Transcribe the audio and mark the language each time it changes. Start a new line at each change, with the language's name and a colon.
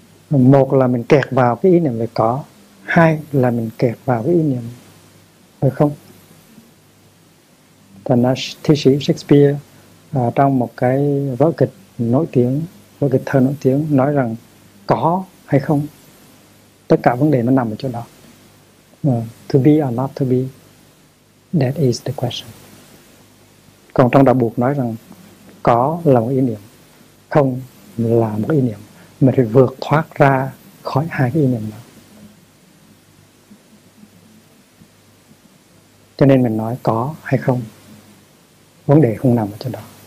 Vietnamese: Một là mình kẹt vào cái ý niệm về có, hai là mình kẹt vào cái ý niệm về không. Thành ra thi sĩ Shakespeare trong một cái vở kịch nổi tiếng, vở kịch thơ nổi tiếng, nói rằng có hay không, tất cả vấn đề nó nằm ở chỗ đó.
English: To be or not to be, that is the question.
Vietnamese: Còn trong đạo buộc nói rằng có là một ý niệm, không là một ý niệm. Mình phải vượt thoát ra khỏi hai cái ý niệm đó. Cho nên mình nói có hay không, vấn đề không nằm ở chỗ đó.